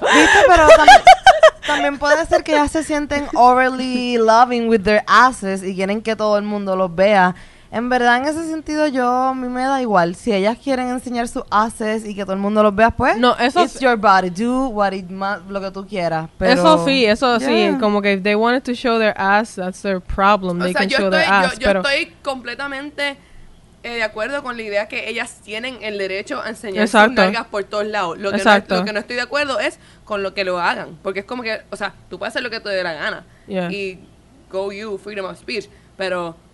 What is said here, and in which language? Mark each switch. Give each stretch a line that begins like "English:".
Spanish: ¿Viste? Pero también puede ser que ya se sienten
English: overly loving with their asses
Spanish: y quieren que todo el mundo los vea. En verdad, en ese sentido, a mí me da igual. Si ellas quieren enseñar sus asses y que todo el mundo los vea, pues... No, eso...
English: It's your body. Do what it
Spanish: lo que tú quieras. Pero, eso sí. Como que
English: if they wanted to show their ass, that's their problem.
Spanish: Yo estoy completamente de acuerdo con la idea que ellas tienen el derecho a enseñar sus nalgas por todos lados. Lo que no estoy de acuerdo es con lo que lo hagan. Porque es como que... O sea, tú puedes hacer lo que te dé la gana.
English: Yeah. Y go you, freedom of speech. Pero...